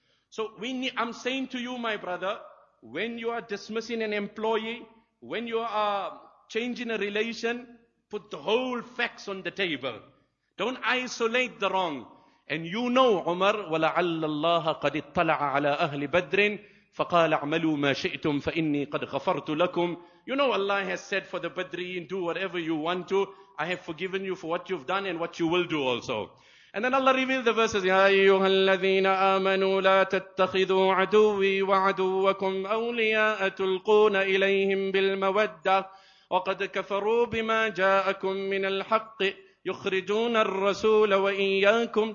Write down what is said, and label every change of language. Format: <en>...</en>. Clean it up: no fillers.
<en>So I'm saying to you, my brother, when you are dismissing an employee, when you are changing a relation, put the whole facts on the table. Don't isolate the wrong. And you know, Umar,</en> <ar>وَلَعَلَّ اللَّهَ قَدِ اطَّلَعَ عَلَىٰ أَهْلِ بَدْرٍ. فقال اعملوا ما شئتم فإني قد غفرت لكم.</ar> <en>You know Allah has said for the Badriyin, do whatever you want to. I have forgiven you for what you've done and what you will do also. And then Allah revealed the verses.</en> <ar>يَا أَيُّهَا الَّذِينَ آمَنُوا لَا تَتَّخِذُوا عَدُوِّي وَعَدُوَّكُمْ أَوْلِيَاءَ تُلْقُونَ إِلَيْهِمْ بِالْمَوَدَّةِ وَقَدْ كَفَرُوا بِمَا جَاءَكُمْ مِنَ الْحَقِّ يُخْرِجُونَ الرَّسُولَ وَإِيَّاكُمْ.</ar>